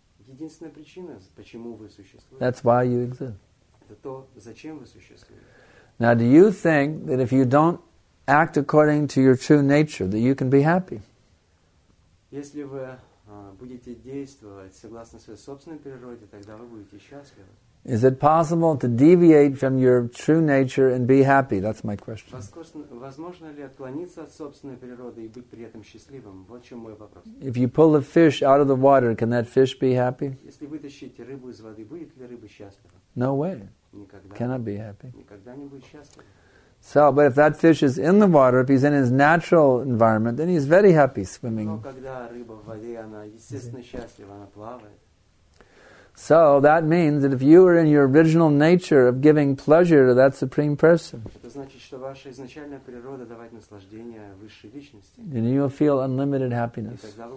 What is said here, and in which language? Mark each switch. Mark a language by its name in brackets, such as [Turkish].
[Russian] Единственная причина, почему вы существуете. [English] That's why you exist. [Russian] Это то, зачем вы существуете. [English] Now, do you think that if you don't act according to your true nature, that you can be happy? [Russian] Если вы будете действовать согласно своей собственной природе, тогда вы будете счастливы. [English] Is it possible to deviate from your true nature and be happy? That's my question. [Russian] Возможно ли отклониться от собственной природы и быть при этом счастливым? Вот в чем мой вопрос. [English] If you pull a fish out of the water, can that fish be happy? [Russian] Если вытащить рыбу из воды, будет ли рыба счастлива? [English] No way. [Russian] Никогда. [English] Cannot be happy. [Russian] Никогда не будет счастлив. [English] So, but if that fish is in the water, if he's in his natural environment, then he's very happy swimming. [Russian] Но когда рыба в воде, она естественно счастлива, она плавает. [English] So that means that if you are in your original nature of giving pleasure to that Supreme Person, then you will feel unlimited happiness.